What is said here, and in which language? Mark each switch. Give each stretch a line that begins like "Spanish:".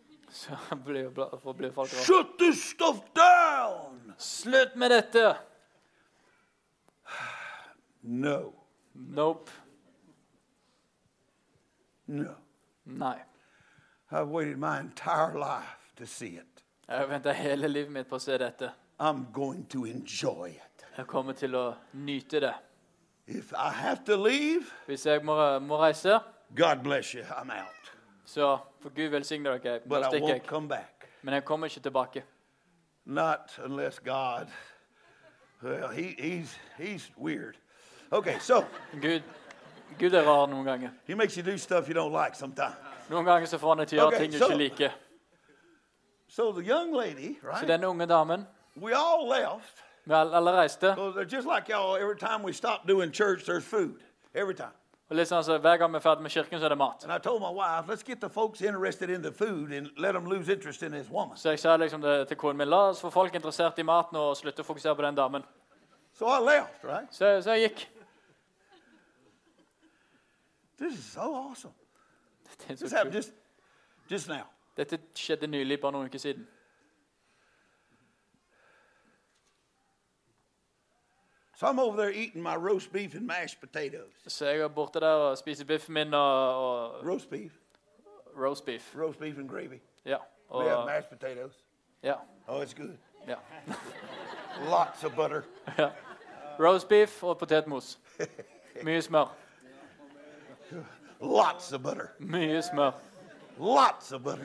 Norwegian: Så blir folk.
English: Shut this stuff down.
Norwegian: Slut med dette.
English: No. Nope. No.
Norwegian: Nej.
English: I've waited my entire life to see it.
Swedish: Jag väntar hela livet mitt på att se detta.
English: I'm going to enjoy it.
Norwegian: Jeg kommer til å nyte det.
English: If I have to leave,
Norwegian: hvis jeg må reise,
English: God bless you, I'm out.
Norwegian: Så, for Gud velsigner dere,
English: but I won't come back.
Norwegian: Men jeg kommer ikke tilbake.
English: Not unless God, well, he's weird. Okay, so.
Norwegian: Gud rar noen ganger.
English: He makes you do stuff you don't like sometimes.
Norwegian: Noen ganger så får han deg til å gjøre ting du ikke liker.
English: So the young lady, right?
Norwegian: Så denne unge damen.
English: We all left.
Norwegian: Vi alle reiste.
English: So just like y'all, every time we stop doing church, there's food. Every time.
Norwegian: Og liksom, altså, hver gang vi er ferdig med kirken, så er det mat.
English: And I told my wife, let's get the folks interested in the food and let them lose interest in this woman.
Norwegian: Så jeg sa liksom det til konen min, la oss få folk interessert i maten og slutte å fokusere på den damen.
English: So I left, right?
Norwegian: Så jeg gikk.
English: This is so awesome. This happened just now.
Norwegian: Dette skjedde nylig, bare noen uker siden.
English: So I'm over there eating my roast beef and mashed potatoes.
Norwegian: Så jeg er borte der og spiser biffen min og
English: roast beef. Roast beef. Roast beef and gravy. Yeah. Og, we have mashed potatoes. Yeah. Oh, it's good. Yeah. Lots of butter.
Norwegian: Yeah. Roast beef og potetmos. Mye smør.
English: Lots of butter.
Norwegian: Mye smør.
English: Lots of butter.